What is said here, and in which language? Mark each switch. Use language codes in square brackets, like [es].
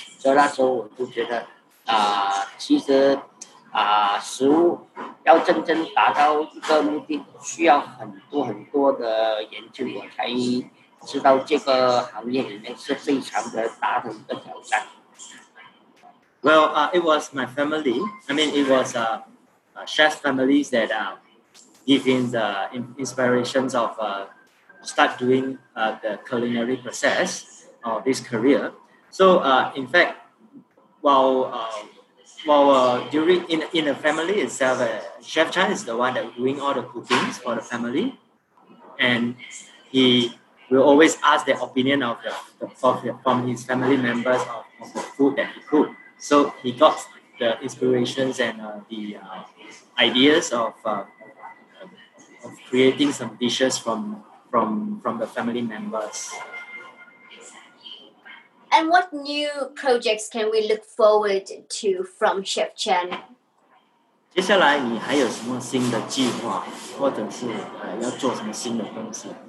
[zh] 所以那时候我就觉得其实食物要真正达到一个目的，需要很多很多的研究，我才知道这个行业里面是非常的大的一个挑战。 [en] Well, it was my family. I mean, it was chef's family that giving the inspirations of start doing the culinary process of this career. So in fact, during the family itself, Chef Chan is the one that doing all the cooking for the family, and he will always ask the opinion of from his family members of the food that he cook. So he got the inspirations and ideas of creating some dishes from the family members. And what new projects can we look forward to from Chef Chen? [zh] 接下来你还有什么新的计划，或者是要做什么新的东西？